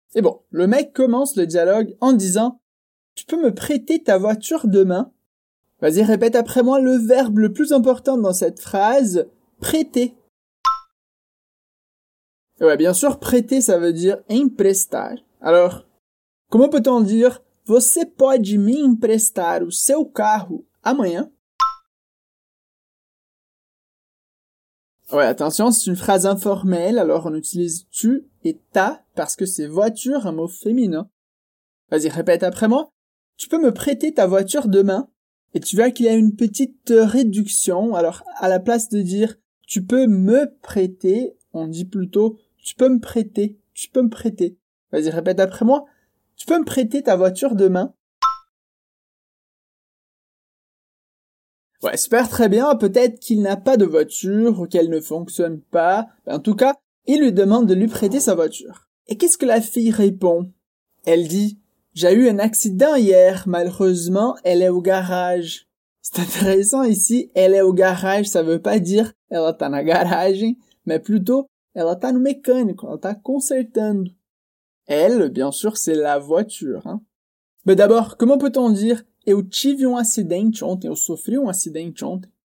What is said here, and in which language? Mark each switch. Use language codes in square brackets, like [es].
[fr] Et bon, le mec commence le dialogue en disant « Tu peux me prêter ta voiture demain ?» Vas-y, répète après moi le verbe le plus important dans cette phrase « prêter ». Ouais, bien sûr, prêter, ça veut dire imprestar. Alors, comment peut-on dire [pt] você pode me emprestar o seu carro amanhã? [fr] Ouais, attention, c'est une phrase informelle, alors on utilise tu et ta parce que c'est voiture, un mot féminin. Vas-y, répète après moi. Tu peux me prêter ta voiture demain? Et tu vois qu'il y a une petite réduction, alors à la place de dire tu peux me prêter, on dit plutôt tu peux me prêter, tu peux me prêter. Vas-y, répète après moi. Tu peux me prêter ta voiture demain? Ouais, super, très bien. Peut-être qu'il n'a pas de voiture ou qu'elle ne fonctionne pas. En tout cas, il lui demande de lui prêter sa voiture. Et qu'est-ce que la fille répond? Elle dit, j'ai eu un accident hier. Malheureusement, elle est au garage. C'est intéressant ici. Elle est au garage, ça veut pas dire [pt] ela tá na garagem, [fr] mais plutôt [pt] ela tá no mecânico, ela tá consertando. [fr] Elle, bien sûr, c'est la voiture, hein. Mais d'abord, comment peut-on dire [pt] eu tive um acidente ontem, eu sofri um acidente ontem?